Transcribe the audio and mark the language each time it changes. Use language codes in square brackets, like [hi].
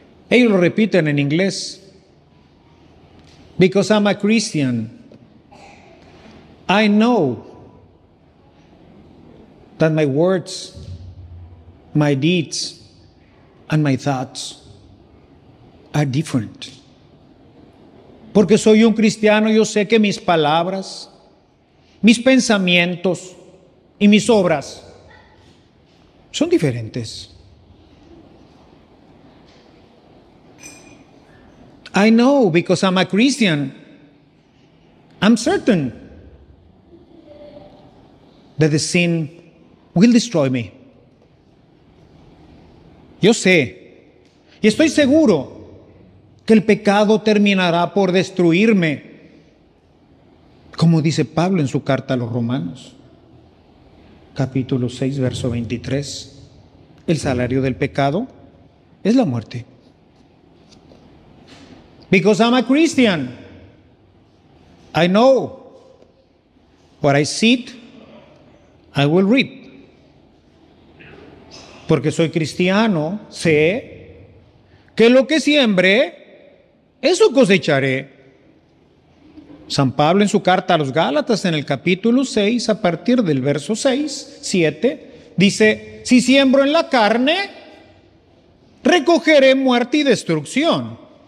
[es] Ellos lo repiten en inglés: [en] Because I'm a Christian, I know that my words, my deeds, and my thoughts are different. [es] Porque soy un cristiano, yo sé que mis palabras, mis pensamientos y mis obras son diferentes. [en] I know because I'm a Christian. I'm certain that the sin will destroy me. [es] Yo sé y estoy seguro que el pecado terminará por destruirme, como dice Pablo en su carta a los Romanos, capítulo 6, verso 23. El salario del pecado es la muerte. [en] Because I'm a Christian, I know what I sit, I will reap. [es] Porque soy cristiano, sé que lo que siembre, eso cosecharé. San Pablo en su carta a los Gálatas, en el capítulo 6, a partir del verso 6, 7, dice: si siembro en la carne, recogeré muerte y destrucción.